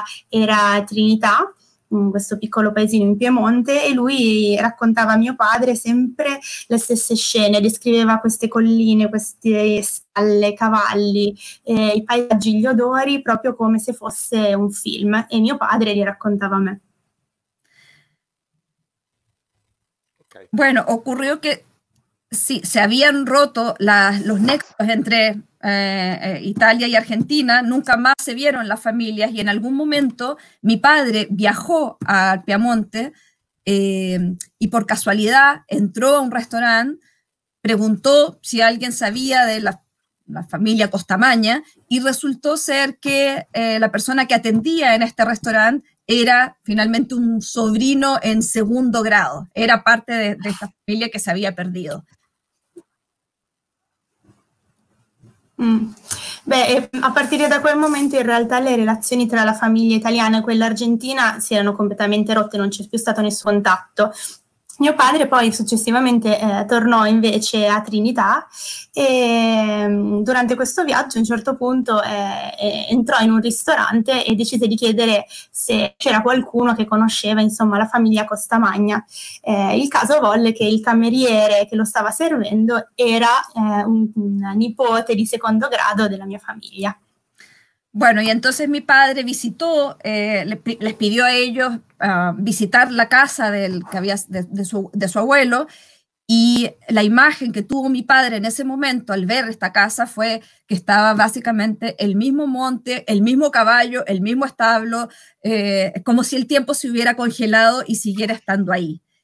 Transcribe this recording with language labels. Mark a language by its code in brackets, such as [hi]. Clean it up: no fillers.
[it] era Trinità, in questo piccolo paesino in Piemonte, e lui raccontava a mio padre sempre le stesse scene, descriveva queste colline, queste stalle, cavalli, i paesaggi, gli odori, proprio come se fosse un film, e mio padre li raccontava a me. Okay. [es] Bueno, ocurrió que sí, se habían roto los nexos entre Italia y Argentina, nunca más se vieron las familias, y en algún momento mi padre viajó al Piamonte y por casualidad entró a un restaurante, preguntó si alguien sabía de la familia Costamaña, y resultó ser que la persona que atendía en este restaurante era finalmente un sobrino en segundo grado, era parte de esta familia que se había perdido. [it] Beh, a partire da quel momento in realtà le relazioni tra la famiglia italiana e quella argentina si erano completamente rotte, non c'è più stato nessun contatto. Mio padre poi successivamente tornò invece a Trinità e durante questo viaggio a un certo punto entrò in un ristorante e decise di chiedere se c'era qualcuno che conosceva, insomma, la famiglia Costamagna. Il caso volle che il cameriere che lo stava servendo era un nipote di secondo grado della mia famiglia. [es] Bueno, y entonces mi padre visitó, les pidió a ellos visitar la casa de su abuelo, y la imagen que tuvo mi padre en ese momento al ver esta casa fue que estaba básicamente el mismo monte, el mismo caballo, el mismo establo, como si el tiempo se hubiera congelado y siguiera estando ahí.